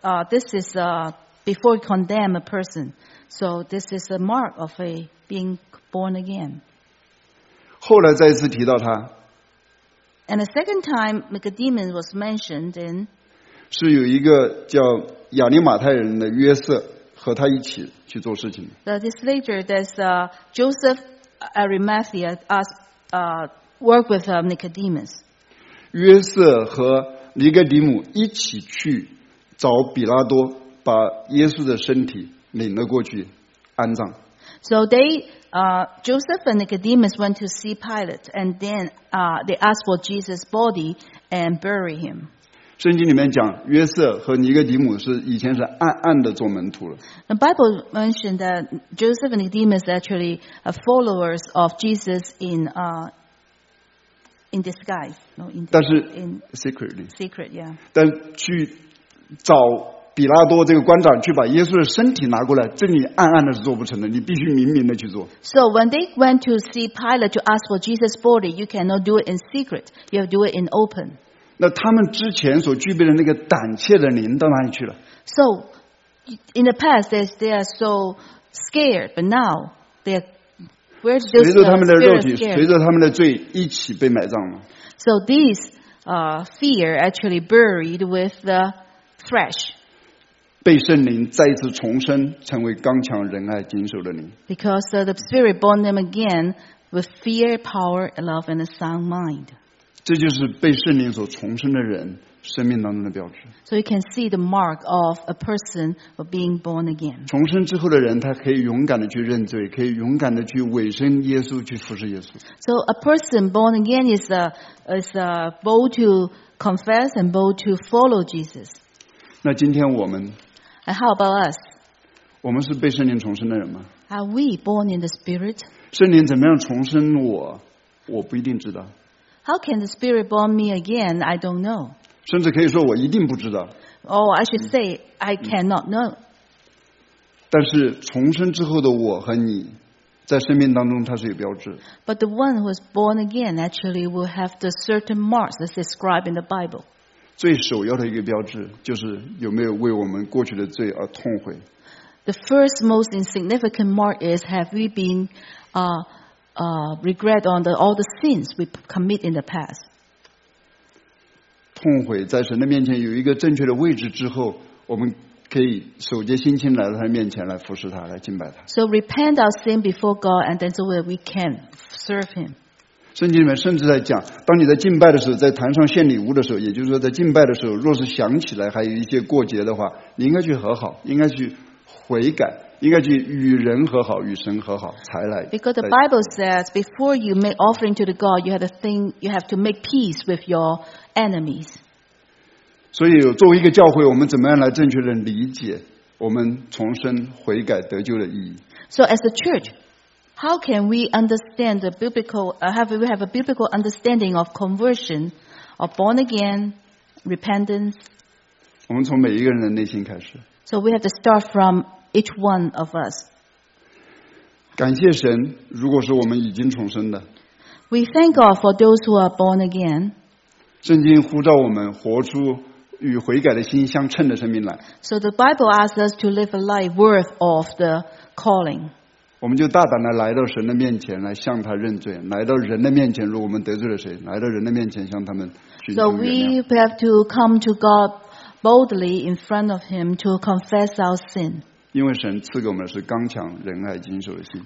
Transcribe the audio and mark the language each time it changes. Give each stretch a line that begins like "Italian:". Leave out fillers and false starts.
English: This is before he condemn a person. So this is a mark of a being born again.
Chinese: 后来再一次提到他。
English: And the second time, Nicodemus was mentioned in.
Chinese: 是有一个叫亚利马太人的约瑟和他一起去做事情。
English: That is later that Joseph Arimathea work with Nicodemus.
Chinese: 约瑟和尼哥底母一起去找比拉多，把耶稣的身体领了过去安葬。
English: So they, Joseph and Nicodemus went to see Pilate, and then they asked for Jesus' body and bury him.
Chinese: 圣经里面讲约瑟和尼哥底母是以前是暗暗的做门徒了。
English: The Bible mentioned that Joseph and Nicodemus actually are followers of Jesus in disguise. No, in secretly. Secret, yeah.
Chinese: 但去找比拉多这个官长去把耶稣的身体拿过来，这你暗暗的是做不成的，你必须明明的去做。
English: So when they went to see Pilate to ask for Jesus' body, you cannot do it in secret. You have to do it in open.
Chinese: 那他们之前所具备的那个胆怯的灵到哪里去了
English: ？So in the past they are so scared, but now they are where's the spirit scared?
Chinese: 随着他们的肉体，随着他们的罪一起被埋葬了。
English: So these fear actually buried with the flesh.
Chinese: 被圣灵再次重生，成为刚强仁爱谨守的灵。
English: Because the Spirit born them again with fear, power, love, and a sound mind.
Chinese: 这就是被圣灵所重生的人生命当中的标志。
English: So you can see the mark of a person of being born again.
Chinese: 重生之后的人，他可以勇敢的去认罪，可以勇敢的去委身耶稣，去服侍耶稣。
English: So a person born again is a bold to confess and bold to follow Jesus.
Chinese: 那今天我们。
English: And how about us?
Chinese: 我们是被圣灵重生的人吗？
English: Are we born in the Spirit?
Chinese: 圣灵怎么样重生我？我不一定知道。
English: How can the Spirit born me again? I don't know.
Chinese: 甚至可以说我一定不知道。
English: Oh, I should say I cannot know.
Chinese: 但是重生之后的我和你，在生命当中它是有标志。
English: But the one who is born again actually will have the certain marks that's described in the Bible.
Chinese: 最首要的一个标志就是有没有为我们过去的罪而痛悔。
English: The first most insignificant mark is have we been regret on all the sins we commit in the past.
Chinese: 痛悔在神的面前有一个正确的位置之后，我们可以守洁心清来到他面前来服侍他，来敬拜他。
English: So repent our sin before God and then so we can serve him.
Chinese: 圣经里面甚至在讲，当你在敬拜的时候，在坛上献礼物的时候，也就是说在敬拜的时候，若是想起来还有一些过节的话，你应该去和好，应该去悔改，应该去与人和好，与神和好才来。
English: Because the Bible says, before you make offering to the God, you have to think, you have to make peace with your enemies.
Chinese: 所以，作为一个教会，我们怎么样来正确的理解我们重生、悔改、得救的意义
English: ？So as the church. How can we understand the biblical, have a biblical understanding of conversion, of born again, repentance?
Chinese: 我们从每一个人的内心开始。
English: So we have to start from each one of us.
Chinese: 感谢神，如果是我们已经重生的。
English: We thank God for those who are born again.
Chinese: 圣经呼召我们活出与悔改的心相称的生命来。
English: So the Bible asks us to live a life worth of the calling.
Chinese: 我们就大胆地来到神的面前，来向他认罪，来到人的面前，如果我们得罪了谁，来到人的面前向他们寻求原谅。
English: So we have to come to God boldly in front of Him to confess our sin.
Chinese: 因为神赐给我们的是刚强、仁爱、谨守的心。